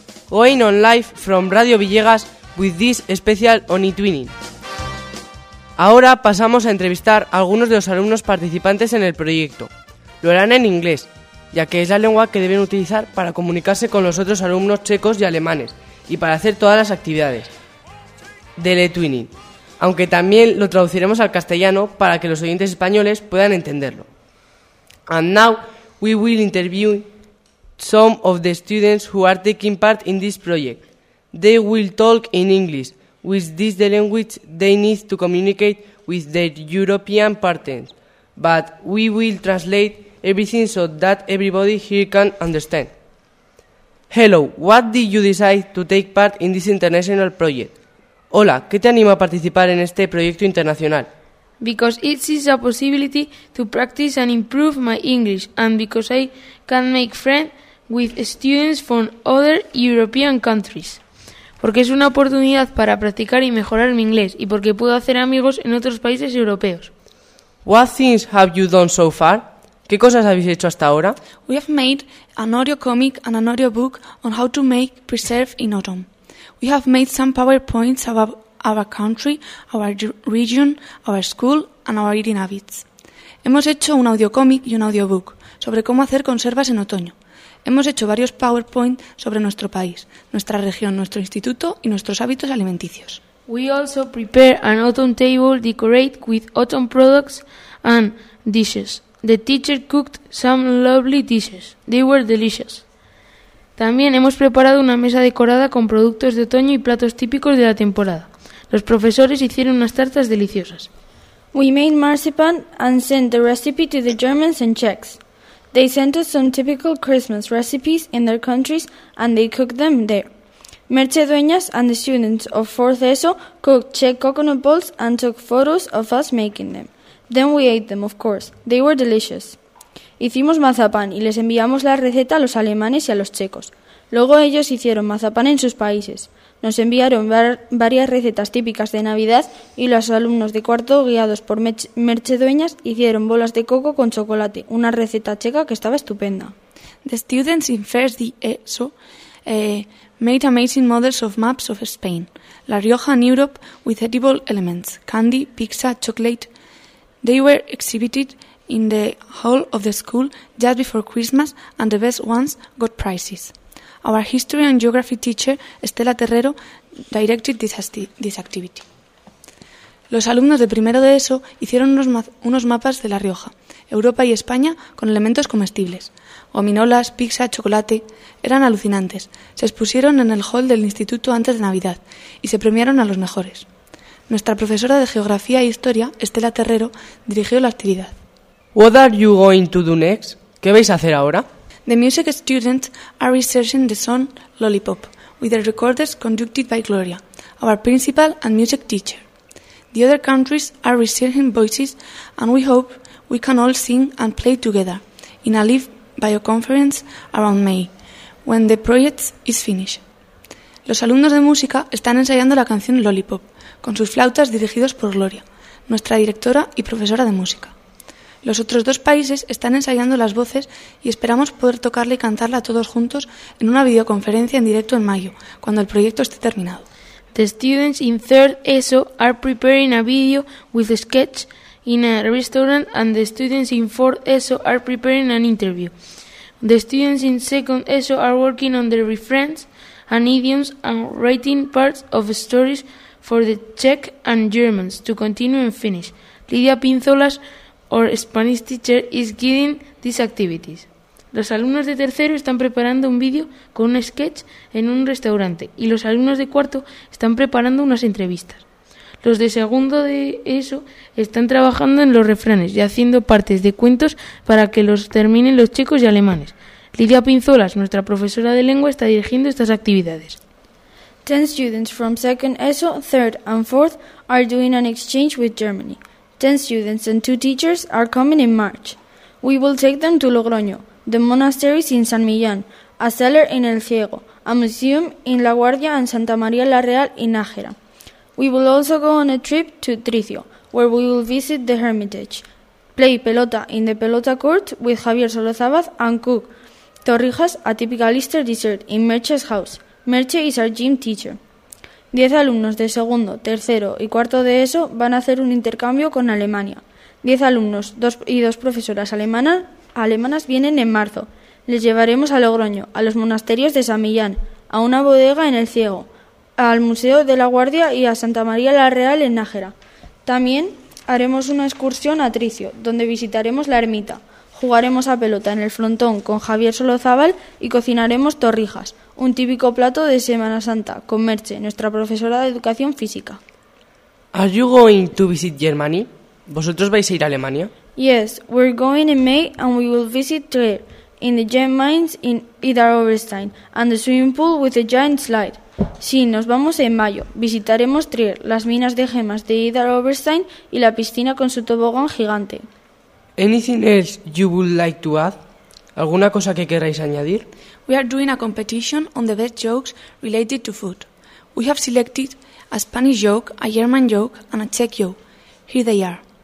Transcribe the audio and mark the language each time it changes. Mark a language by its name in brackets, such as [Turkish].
[English] Going on live from Radio Villegas with this special on eTwinning. [Spanish] Ahora pasamos a entrevistar a algunos de los alumnos participantes en el proyecto. Lo harán en inglés, ya que es la lengua que deben utilizar para comunicarse con los otros alumnos checos y alemanes y para hacer todas las actividades del eTwinning, aunque también lo traduciremos al castellano para que los oyentes españoles puedan entenderlo. [English] And now we will interview some of the students who are taking part in this project. They will talk in English, which is the language they need to communicate with their European partners. But we will translate everything so that everybody here can understand. Hello, what did you decide to take part in this international project? [Spanish] Hola, ¿qué te anima a participar en este proyecto internacional? [English] Because it is a possibility to practice and improve my English, and because I can make friends with students from other European countries. [Spanish] Porque es una oportunidad para practicar y mejorar mi inglés, y porque puedo hacer amigos en otros países europeos. [English] What things have you done so far? [Spanish] ¿Qué cosas habéis hecho hasta ahora? [English] We have made an audio comic and an audio book on how to make preserve in autumn. We have made some PowerPoints about our country, our region, our school and our eating habits. [Spanish] Hemos hecho un audiocómic y un audiobook sobre cómo hacer conservas en otoño. Hemos hecho varios PowerPoint sobre nuestro país, nuestra región, nuestro instituto y nuestros hábitos alimenticios. [English] We also prepare an autumn table decorated with autumn products and dishes. The teacher cooked some lovely dishes. They were delicious. [Spanish] También hemos preparado una mesa decorada con productos de otoño y platos típicos de la temporada. Los profesores hicieron unas tartas deliciosas. [English] We made marzipan and sent the recipe to the Germans and Czechs. They sent us some typical Christmas recipes in their countries and they cooked them there. Merche Dueñas and the students of 4th ESO cooked Czech coconut balls and took photos of us making them. Then we ate them, of course. They were delicious. [Spanish] Hicimos mazapán y les enviamos la receta a los alemanes y a los checos. Luego ellos hicieron mazapán en sus países. Nos enviaron varias recetas típicas de Navidad y los alumnos de cuarto, guiados por Merche Dueñas, hicieron bolas de coco con chocolate, una receta checa que estaba estupenda. [English] The students in first ESO made amazing models of maps of Spain, La Rioja and Europe with edible elements, candy, pizza, chocolate. They were exhibited in the hall of the school just before Christmas and the best ones got prizes. Our history and geography teacher, Estela Terrero, directed this activity. [Spanish] Los alumnos de primero de ESO hicieron unos mapas de La Rioja, Europa y España con elementos comestibles. Gominolas, pizza, chocolate, eran alucinantes. Se expusieron en el hall del instituto antes de Navidad y se premiaron a los mejores. Nuestra profesora de geografía e historia, Estela Terrero, dirigió la actividad. [English] What are you going to do next? [Spanish] ¿Qué vais a hacer ahora? [English] The music students are researching the song Lollipop with the recorders conducted by Gloria, our principal and music teacher. The other countries are researching voices and we hope we can all sing and play together in a live bioconference around May, when the project is finished. [Spanish] Los alumnos de música están ensayando la canción Lollipop con sus flautas dirigidos por Gloria, nuestra directora y profesora de música. Los otros dos países están ensayando las voces y esperamos poder tocarla y cantarla todos juntos en una videoconferencia en directo en mayo, cuando el proyecto esté terminado. [English] The students in 3rd ESO are preparing a video with a sketch in a restaurant and the students in 4th ESO are preparing an interview. The students in 2nd ESO are working on their refrains and idioms and writing parts of stories for the Czech and Germans to continue and finish. Lidia Pinzolas, our Spanish teacher, is guiding these activities. [Spanish] Los alumnos de tercero están preparando un vídeo con un sketch en un restaurante y los alumnos de cuarto están preparando unas entrevistas. Los de segundo de ESO están trabajando en los refranes y haciendo partes de cuentos para que los terminen los checos y alemanes. Lidia Pinzolas, nuestra profesora de lengua, está dirigiendo estas actividades. [English] 10 students from 2nd ESO, 3rd and 4th are doing an exchange with Germany. 10 students and 2 teachers are coming in March. We will take them to Logroño, the monasteries in San Millán, a cellar in El Ciego, a museum in La Guardia and Santa María la Real in Nájera. We will also go on a trip to Tricio, where we will visit the Hermitage, play pelota in the pelota court with Javier Solozabaz and cook torrijas, a typical Easter dessert, in Merche's house. Merche is our gym teacher. [Spanish] 10 alumnos de segundo, tercero y cuarto de ESO van a hacer un intercambio con Alemania. 10 alumnos y dos profesoras alemanas vienen en marzo. Les llevaremos a Logroño, a los monasterios de San Millán, a una bodega en El Ciego, al Museo de la Guardia y a Santa María la Real en Nájera. También haremos una excursión a Tricio, donde visitaremos la ermita. Jugaremos a pelota en el frontón con Javier Solozabal y cocinaremos torrijas, un típico plato de Semana Santa, con Merche, nuestra profesora de educación física. [English] Are you going to visit Germany? [Spanish] ¿Vosotros vais a ir a Alemania? [English] Yes, we're going in May and we will visit there. in the gem mines in Idar-Oberstein and the swimming pool with a giant slide. [Spanish] Sí, nos vamos en mayo. Visitaremos Trier, las minas de gemas de Idar-Oberstein y la piscina con su tobogán gigante. [English] Anything else you would like to add? [Spanish] ¿Alguna cosa que queráis añadir? [English] We are doing a competition on the best jokes related to food. We have selected a Spanish joke, a German joke and a Czech joke. Here they are.